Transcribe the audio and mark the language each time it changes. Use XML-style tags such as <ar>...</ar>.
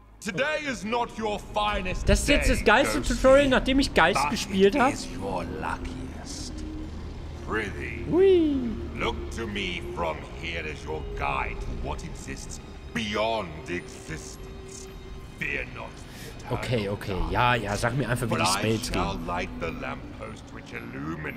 <en>Today is not your finest</en> <de>day. Das ist jetzt das geilste Tutorial, nachdem ich Geist gespielt habe.</de> <en>But it is your luckiest. Prithee. Whee. Look to me from here as your guide to what exists beyond existence. Fear not.</en> <de>Okay, okay, ja, ja, sag mir einfach, wie die Spells gehen.</de>